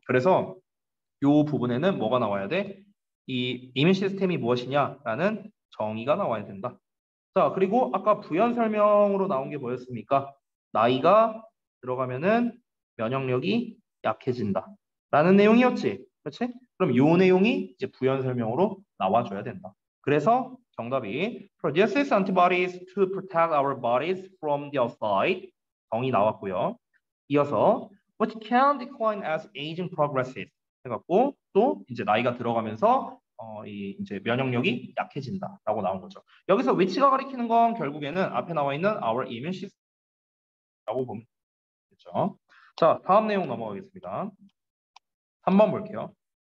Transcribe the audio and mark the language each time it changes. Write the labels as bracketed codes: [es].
[ko] 그래서 요 부분에는 뭐가 나와야 돼? 이 immune system이 무엇이냐라는 정의가 나와야 된다. 자, 그리고 아까 부연 설명으로 나온 게 뭐였습니까? 나이가 들어가면은 면역력이 약해진다. 라는 내용이었지. 그렇지? 그럼 요 내용이 이제 부연 설명으로 나와줘야 된다. 그래서 정답이 [en] produces antibodies to protect our bodies from the outside. [ko] 정이 나왔고요. 이어서 [en] which can decline as aging progresses. [ko] 해갖고 또 이제 나이가 들어가면서 이제 면역력이 약해진다. 라고 나온 거죠. 여기서 which가 가리키는 건 결국에는 앞에 나와 있는 [en] our immune system. [ko] 라고 보면 되겠죠. 자, 다음 내용 넘어가겠습니다. 3번 볼게요.